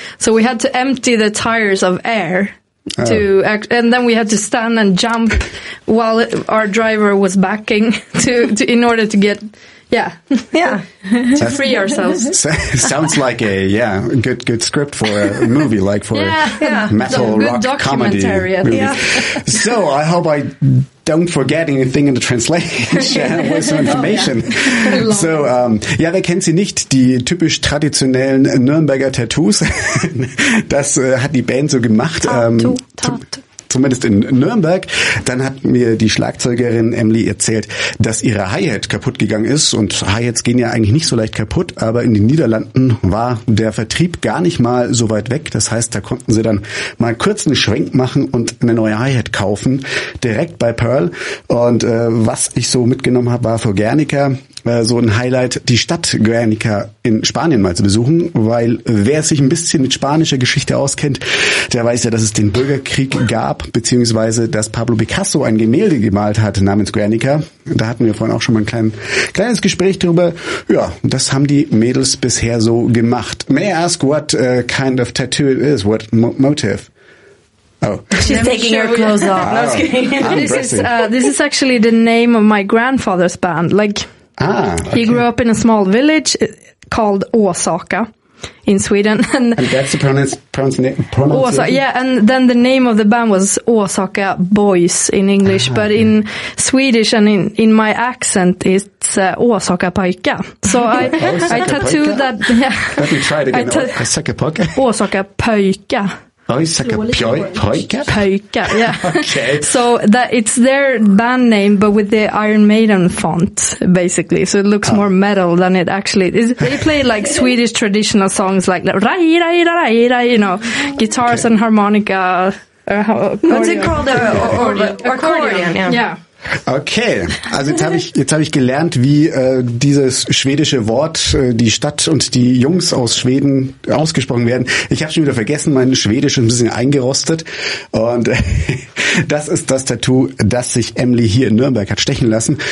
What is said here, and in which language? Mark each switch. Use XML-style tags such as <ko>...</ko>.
<en>So we had to empty the tires of air. And then we had to stand and jump while our driver was backing to in order to get to free ourselves. Sounds like a good script for a movie, like for metal rock comedy. So I hope I don't forget anything in the translation with some information.</en> <de>So wir kennen sie nicht, die typisch traditionellen Nürnberger Tattoos. Das hat die Band so gemacht. Zumindest in Nürnberg. Dann hat mir die Schlagzeugerin Emily erzählt, dass ihre Hi-Hat kaputt gegangen ist. Und Hi-Hats gehen ja eigentlich nicht so leicht kaputt. Aber in den Niederlanden war der Vertrieb gar nicht mal so weit weg. Das heißt, da konnten sie dann mal kurz einen Schwenk machen und eine neue Hi-Hat kaufen. Direkt bei Pearl. Und was ich so mitgenommen habe, war für Guernica so ein Highlight, die Stadt Guernica in Spanien mal zu besuchen. Weil wer sich ein bisschen mit spanischer Geschichte auskennt, der weiß ja, dass es den Bürgerkrieg gab, beziehungsweise dass Pablo Picasso ein Gemälde gemalt hat namens Guernica. Da hatten wir vorhin auch schon mal ein kleines Gespräch drüber. Ja, das haben die Mädels bisher so gemacht.</de> <en>May I ask what kind of tattoo it is, what motif? Oh. She's taking her clothes off. No, I'm this is actually the name of my grandfather's band. Like, he grew up in a small village called Åsaka in Sweden. And that's the pronunciation? And then the name of the band was Åsaka Boys in English. But in Swedish and in my accent, it's Åsaka Pojka. So I tattooed that. Yeah. Let me try it again. Åsaka Pojka? Åsaka Pojka. Oh, it's like a pojka, yeah. Okay. So that it's their band name, but with the Iron Maiden font, basically. So it looks more metal than it actually is. They play like Swedish traditional songs, like rai rai rai rai, you know, guitars and harmonica. What's it called? Accordion. Yeah.</en> <de>Okay, also jetzt habe ich gelernt, wie dieses schwedische Wort, die Stadt und die Jungs aus Schweden ausgesprochen werden. Ich habe schon wieder vergessen, mein Schwedisch ist ein bisschen eingerostet. Und das ist das Tattoo, das sich Emily hier in Nürnberg hat stechen lassen.</de>